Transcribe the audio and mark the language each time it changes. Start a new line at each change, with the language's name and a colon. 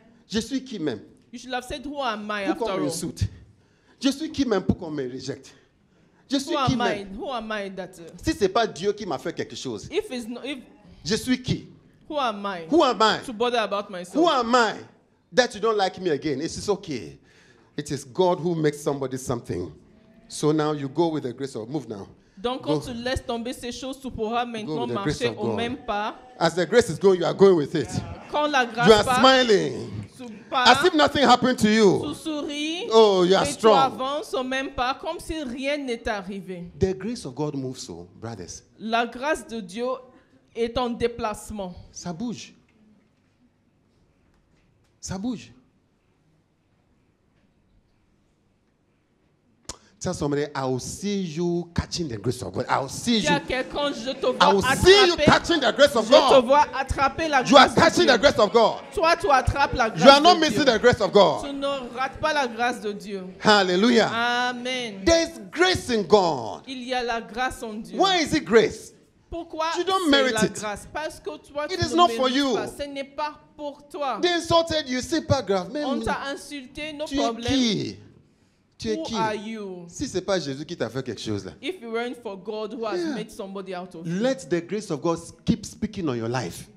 English: You should have said who am I after all. Insult.
French: Je suis qui même pour qu'on me rejette. Je suis
English: Who am I that?
French: Si c'est pas Dieu qui m'a fait quelque chose.
English: If it's not, if
French: je suis qui?
English: Who am I? To bother about myself. Who am I that you don't like me again? It's okay. It is God who makes somebody something. So now you go with the grace of move now.
French: Donc quand tu laisses tomber ces choses, tu pourras maintenant marcher au même pas.
English: As the grace is going, you are going with it.
French: Yeah. Quand la grâce
English: you are smiling. As if nothing happened to you.
French: Tu souris,
English: oh, you are strong.
French: Tu avances au même pas, comme si rien n'est arrivé.
English: The grace of God moves so, brothers.
French: La grâce de Dieu est en déplacement. Ça bouge.
English: Tell somebody, I will see you catching the grace of God. I will see you.
French: Je te vois attraper la grâce.
English: You are catching the grace of God.
French: Toi, tu attrapes la grâce.
English: You are not missing the grace of God.
French: Tu ne rates pas la grâce de Dieu. Hallelujah. Amen.
English: There is grace in God.
French: Il y a la grâce en Dieu.
English: Why is it grace?
French: Pourquoi
English: you don't merit
French: la grâce? Parce que toi,
English: it is not for you.
French: Pas. Ce n'est pas pour toi.
English: They insulted you.
French: C'est pas grave. On t'a insulté.
English: No problem.
French: Tu es qui?
English: Who are you?
French: Si c'est pas Jésus qui t'a fait quelque chose là.
English: If it weren't for God who has made somebody out of you. Let the grace of God keep speaking on your life.